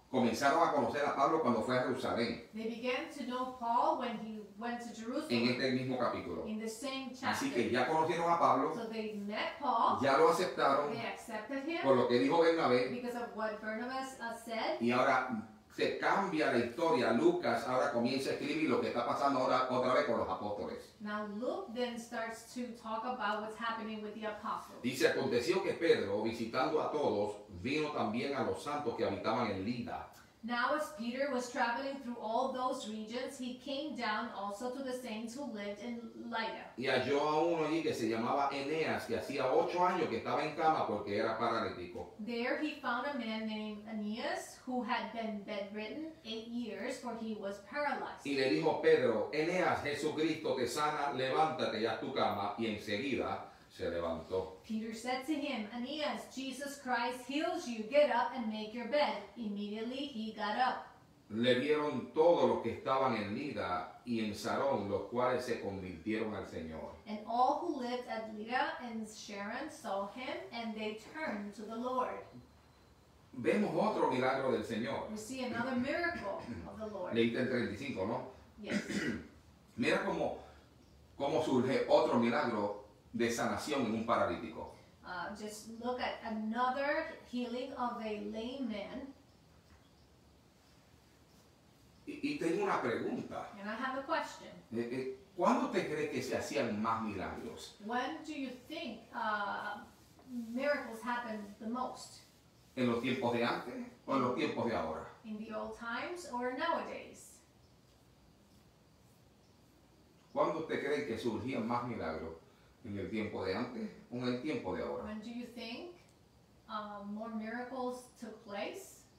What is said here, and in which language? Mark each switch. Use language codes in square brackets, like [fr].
[es] Comenzaron a conocer a Pablo cuando fue a Jerusalén. [en] They began to know Paul when he went to Jerusalem. [es] En este mismo capítulo. [en] In the same chapter. [es] Así que ya conocieron a Pablo. [en] So they met Paul. [es] Ya lo aceptaron. [en] They accepted him. [es] Por lo que dijo Bernabé. [en] Because of what Barnabas said. [es] Y ahora se cambia la historia. Lucas ahora comienza a escribir lo que está pasando ahora otra vez con los apóstoles. [en] Now Luke then starts to talk about what's happening with the apostles. [es] Dice, aconteció que Pedro, visitando a todos, vino también a los santos que habitaban en Lida. [en] Now as Peter was traveling through all those regions, he came down also to the saints who lived in Lydda. [es] Y halló a uno allí que se llamaba Eneas, que hacía 8 años que estaba en cama porque era paralítico. [en] There he found a man named Aeneas, who had been bedridden 8 years, for he was paralyzed. [es] Y le dijo Pedro, Eneas, Jesucristo te sana, levántate y haz tu cama, y enseguida se levantó. [en] Peter said to him, Aeneas, Jesus Christ heals you. Get up and make your bed. Immediately he got up. [es] Le vieron todos los que estaban en Lida y en Sarón, los cuales se convirtieron al Señor. [en] And all who lived at Lida and Sharon saw him and they turned to the Lord. [es] Vemos otro milagro del Señor. [en] We see another miracle of the Lord. [es] Leíste el 35, ¿no? [en] Yes. [es] Mira cómo surge otro milagro de sanación en un paralítico. [en] Just look at another healing of a lame man. [es] Y tengo una pregunta. [en] And I have a question. [es] ¿Cuándo te crees que se hacían más milagros? [en] When do you think miracles happen the most? [es] ¿En los tiempos de antes o en los tiempos de ahora? [en] In the old times or nowadays? [es] ¿Cuándo te crees que surgían más milagros? ¿En el tiempo de antes o en el tiempo de ahora? [en] When do you think more miracles took place?